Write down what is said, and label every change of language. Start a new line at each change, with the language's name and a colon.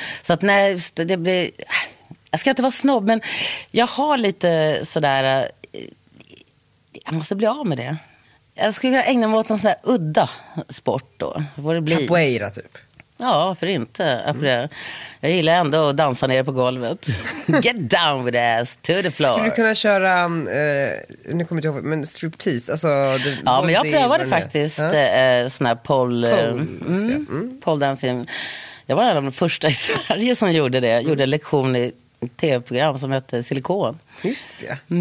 Swedish: Så att nej, det blir, jag ska inte vara snobb, men jag har lite sådär, jag måste bli av med det. Jag skulle ägna mig åt någon sån här udda sport då. Vad det blir. Capoeira typ. Ja, för inte. Jag gillar ändå att dansa ner på golvet.
English: Get down with the ass to the floor.
Swedish: Skulle du kunna köra nu kommer jag inte ihåg, men striptease alltså, ja, men jag prövade faktiskt sån här pole pole dancing. Jag var en av de första i Sverige som gjorde det. Gjorde en lektion i TV-program som hette Silikon. Just det.